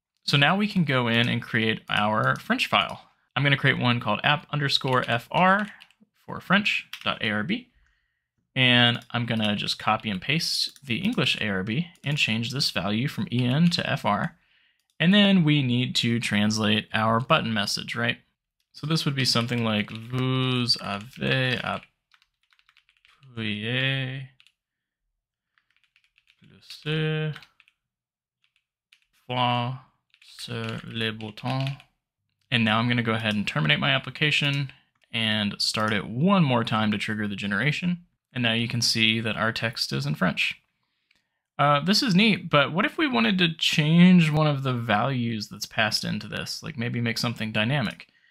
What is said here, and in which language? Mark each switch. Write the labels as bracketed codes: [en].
[en] So now we can go in and create our French file. I'm going to create one called app underscore fr for French.arb. And I'm going to just copy and paste the English ARB and change this value from EN to FR. And then we need to translate our button message, right? So this would be something like [fr] vous avez appuyé plusieurs fois sur le bouton. [en] And now I'm going to go ahead and terminate my application and start it one more time to trigger the generation. And now you can see that our text is in French. This is neat, but what if we wanted to change one of the values that's passed into this, like maybe make something dynamic?